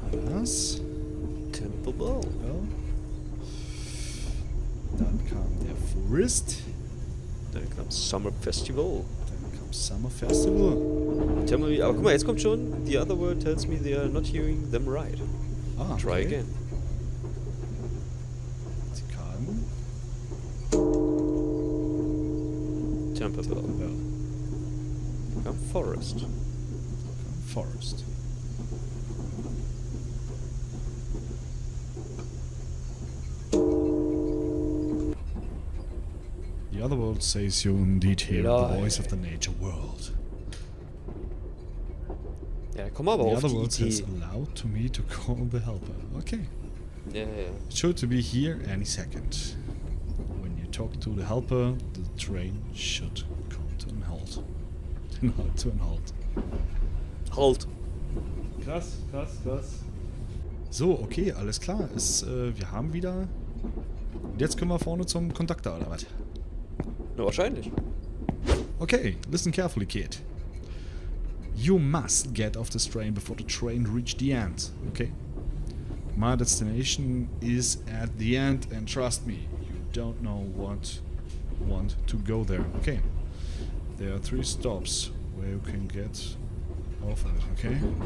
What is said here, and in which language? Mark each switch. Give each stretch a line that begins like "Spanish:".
German: Was?
English: Temple Bell.
German: Ja. Dann kam der Forest. Dann kam Summer Festival.
English: Summer Festival. Tell me,
German: aber guck mal, jetzt kommt schon.
English: The other world tells me they are not hearing them right. Ah, okay. Try again.
German: Zikaden.
English: Temple Bell. Come forest. The other world says you indeed hear the voice of the nature world.
German: Ja, komm aber auf die Idee.
English: The other world says aloud to me to call the helper. Okay.
German: Ja.
English: It should be here any second. When you talk to the helper, the train should come to a halt.
German: Halt. Krass. So, okay, alles klar. Wir haben wieder... Und jetzt können wir vorne zum Kontakter, oder was? Na, wahrscheinlich.
English: Okay, listen carefully, kid. You must get off this train before the train reach the end, okay? My destination is at the end, and trust me, you don't know what want to go there, okay? There are three stops where you can get off of it, okay?